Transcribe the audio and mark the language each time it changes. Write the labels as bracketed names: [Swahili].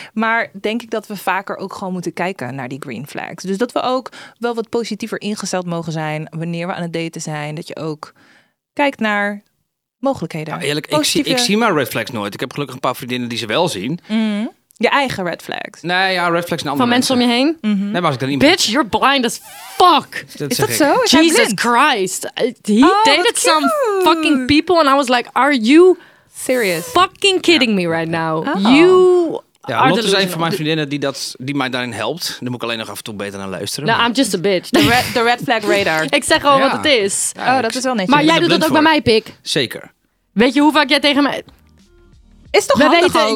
[Dutch] Maar denk ik dat we vaker ook gewoon moeten kijken naar die green flags. Dus dat we ook wel wat positiever ingesteld mogen zijn wanneer we aan het daten zijn. Dat je ook kijkt naar mogelijkheden. Nou, eerlijk, positieve... ik zie maar red flags nooit. Ik heb gelukkig een paar vriendinnen die ze wel zien. Mm. Je eigen red flags. Nee, ja, red flags naar andere van mensen om je heen. Mm-hmm. Nee, maar als ik dan niet. [English] Bitch, you're blind as fuck. [Dutch] Is dat zo? Is [English] Jesus Christ. He dated some fucking people and I was like, are you serious? Fucking kidding me right now? Oh. You. [Dutch] Ja, Lotte is een van mijn vriendinnen die mij daarin helpt. Dan moet ik alleen nog af en toe beter naar luisteren. [English] No, I'm just a bitch. The red flag radar. [Dutch] Ik zeg gewoon wat het is. Ja, oh, dat is wel netjes. Maar jij doet dat ook bij mij, pik. Zeker. Weet je hoe vaak jij tegen mij. Is toch we weten, ook.